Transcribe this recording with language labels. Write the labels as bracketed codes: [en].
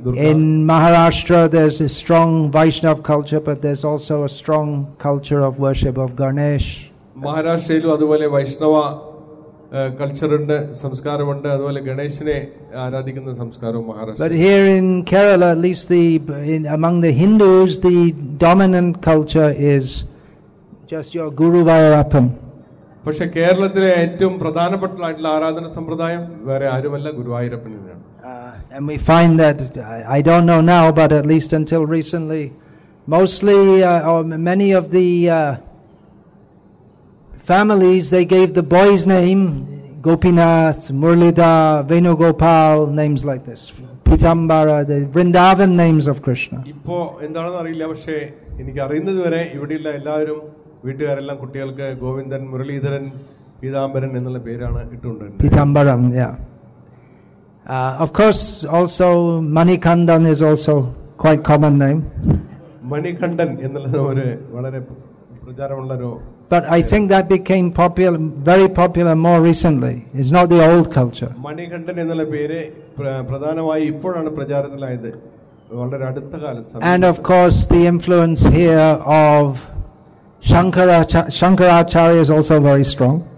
[en] In Maharashtra there's a strong Vaishnav culture, but there's also a strong culture of worship of Ganesh. [ml] മഹാരാഷ്ട്രയിലും അതുപോലെ വൈഷ്ണവ culture ഉണ്ട്, സംസ്കാരമുണ്ട്, അതുപോലെ ഗണേശനെ ആരാധിക്കുന്ന സംസ്കാരവും Maharashtra. [en] But here in Kerala, at least among the Hindus, the dominant culture is just your Guruvayurappan. [ml] പക്ഷെ കേരളത്തിലെ ഏറ്റവും പ്രധാനപ്പെട്ടുള്ള ആരാധന സമ്പ്രദായം വേറെ ആരുമല്ല, ഗുരുവായൂരപ്പനാണ്. [en] And we find that I don't know now, but at least until recently mostly or many of the families, they gave the boys name Gopinath, Murlida, Venugopal, names like this, Pitambara, the Vrindavan names of Krishna. [ml] ഇപ്പോ എന്താണെന്ന് അറിയില്ല, പക്ഷേ എനിക്ക് അറിയുന്നതുവരെ ഇവിടെയുള്ള എല്ലാവരും വീട്ടുകാരെല്ലാം കുട്ടികൾക്ക് ഗോവിന്ദൻ, മുരളീധരൻ, പീതാംബരൻ എന്നുള്ള പേരാണ് ഇട്ടുണ്ടായിരുന്നത്. Peethambaram, yeah. [en] Of course also Manikandan is also quite common name. [ml] Manikandan എന്നുള്ള ഒരു വളരെ പ്രചാരമുള്ള ഒരു. [en] But I think that became popular, very popular more recently. It's not the old culture. [ml] Manikandan എന്നുള്ള പേര് പ്രധാനമായി ഇപ്പോഴാണ് പ്രചാരത്തിലായത്, വളരെ അടുത്ത കാലത്ത്. [en] And of course the influence here of Shankaracharya is also very strong.